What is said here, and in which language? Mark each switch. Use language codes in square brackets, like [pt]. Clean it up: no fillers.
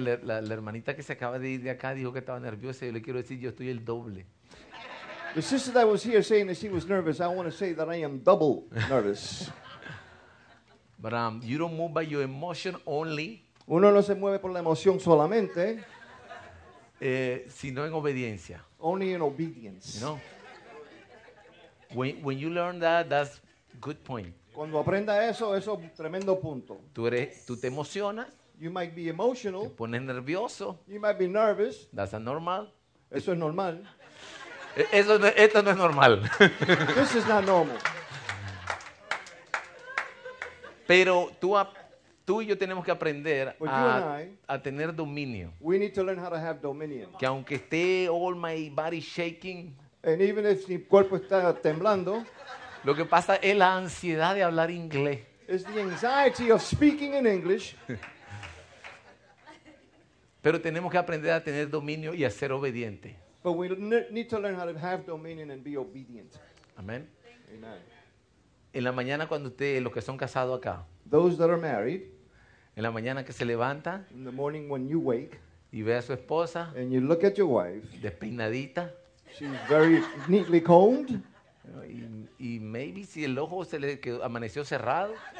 [es] La hermanita que se acaba de ir de acá dijo que estaba nerviosa. Yo le quiero decir, yo estoy el doble. [en] The sister that was here saying that she was nervous, I want to say that I am double nervous. But you don't move by your emotion only. [es] Uno no se mueve por la emoción solamente. Sino en obediencia. [en] Only in obedience. You know? When you learn that, that's good point. [es] Cuando aprenda eso, eso es un tremendo punto. Tú te emocionas. [en] You might be emotional. [es] Te pones nervioso. [en] You might be nervous. That's normal. [es] Eso es normal. Esto no es normal. [en] This is not normal. [es] Pero tú y yo tenemos que aprender a tener dominio. [en] We need to learn how to have dominion. [es] Que aunque esté [en] all my body shaking. And even if [es] mi cuerpo está temblando. Lo que pasa es la ansiedad de hablar inglés. [en] It's the anxiety of speaking in English. [es] Pero tenemos que aprender a tener dominio y a ser obediente. [en] But we need to learn how to have dominion and be obedient. [es] Amen. [en] Amen. [es] En la mañana cuando ustedes, los que son casados acá. [en] Those that are married. [es] En la mañana que se levanta. [en] In the morning when you wake. [es] Y ve a su esposa. [en] And you look at your wife. [es] Despeinadita. [en] She's very neatly combed. [es] Y maybe si el ojo se le quedó, amaneció cerrado.